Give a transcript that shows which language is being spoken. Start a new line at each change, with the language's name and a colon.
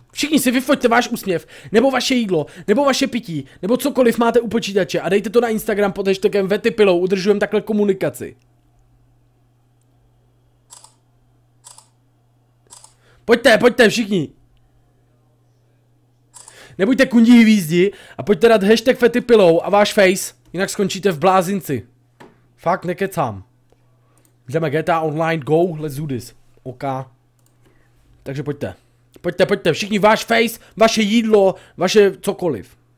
Czech: Všichni si vyfoťte váš úsměv, nebo vaše jídlo, nebo vaše pití, nebo cokoliv máte u počítače a dejte to na Instagram pod hashtagem vetipilou, udržujeme takhle komunikaci. Pojďte všichni. Nebuďte kundí hvízdi a pojďte dát hashtag fetipilou a váš face, jinak skončíte v blázinci. Fakt, nekecám. Jdeme
English: GTA online, go, let's do this.
Czech: OK. Takže pojďte. Pojďte všichni, váš face, vaše jídlo, vaše cokoliv.